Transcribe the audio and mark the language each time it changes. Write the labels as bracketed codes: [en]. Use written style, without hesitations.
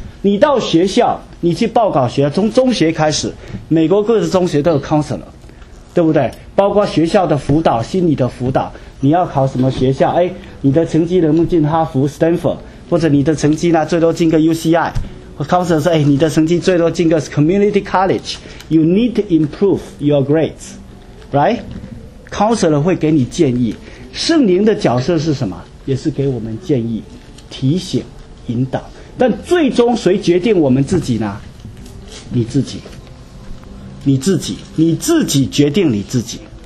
[zh] 你到学校，你去报考学，从中学开始，美国各个中学都有 counselor， 对不对？包括学校的辅导，心理的辅导，你要考什么学校？哎，你的成绩能不能进哈佛、Stanford， 或者你的成绩呢，最多进个 UCI？或 counselor 说，哎，你的成绩最多进个 community college， [en] you need to improve your grades， right？ [zh] counselor 会给你建议。圣灵的角色是什么？也是给我们建议、提醒、引导。但最终谁决定我们自己呢？你自己，你自己，你自己决定你自己。